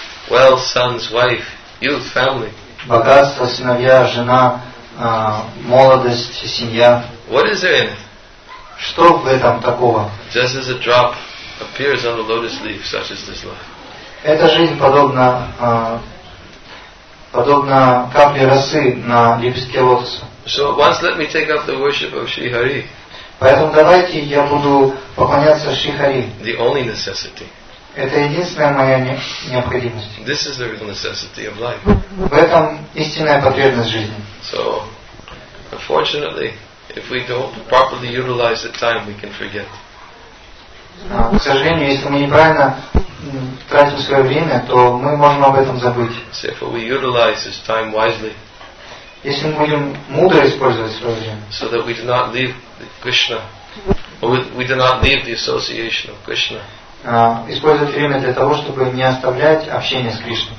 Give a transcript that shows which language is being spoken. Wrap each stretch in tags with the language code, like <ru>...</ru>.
<en>Well, sons, wife, youth, family.</en> <ru>Богатство, сыновья, жена, молодость, семья.</ru> <en>What is there in it?</en> <ru>Что в этом такого?</ru> <en>Just as a drop appears on the lotus leaf, such is this life.</en> <ru>Эта жизнь подобна подобна капле росы на лепестке лотоса.</ru> <en>So once let me take up the worship of Shri Hari.</en> <ru>Поэтому давайте я буду поклоняться Шри Хари.</ru> <en>The only necessity.</en> <ru>Это единственная моя необходимость.</ru> <en>This is the real necessity of life.</en> <ru>В этом истинная потребность жизни.</ru> <en>So, unfortunately, if we don't properly utilize the time, we can forget.</en> <ru>К сожалению, если мы неправильно тратим свое время, то мы можем об этом забыть.</ru> <en>So if we utilize this time wisely.</en> <ru>Если мы будем мудро использовать свое время.</ru> <en>So that we do not leave Krishna, or we do not leave the association of Krishna.</en> <ru>Использовать время для того, чтобы не оставлять общение с Кришной.</ru>